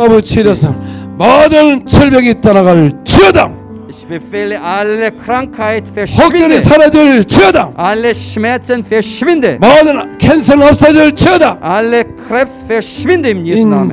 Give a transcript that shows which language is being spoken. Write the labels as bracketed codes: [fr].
[ko] 마음을 치료서 모든 질병이 떠나갈 지어다. [de] Ich befehle alle Krankheit verschwinde. [ko] 혹들이 사라질 지어다. [de] Alle Schmerzen verschwinde. [ko] 모든 Cancer 없어질 지어다. [de] Alle Krebs verschwinde im Jesu Namen.